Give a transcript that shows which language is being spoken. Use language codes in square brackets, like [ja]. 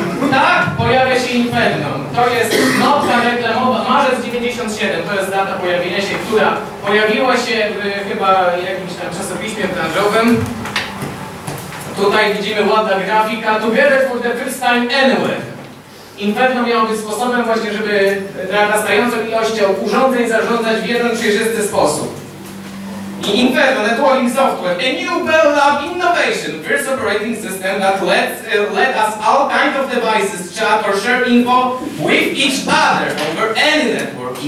[pl] Tak, pojawia się Inferno. To jest nota reklamowa, marzec 97, to jest data pojawienia się, która pojawiła się chyba w jakimś tam czasopiśmie branżowym. Tutaj widzimy ładna grafika. [en] Together for the first time anywhere. [pl] Inferno miało być sposobem właśnie, żeby narastającą ilością urządzeń zarządzać w jeden przejrzysty sposób. [en] I Inferno, Networking Software, a new Bell Lab innovation, first operating system that let us all kinds of devices chat or share info with each other over any network.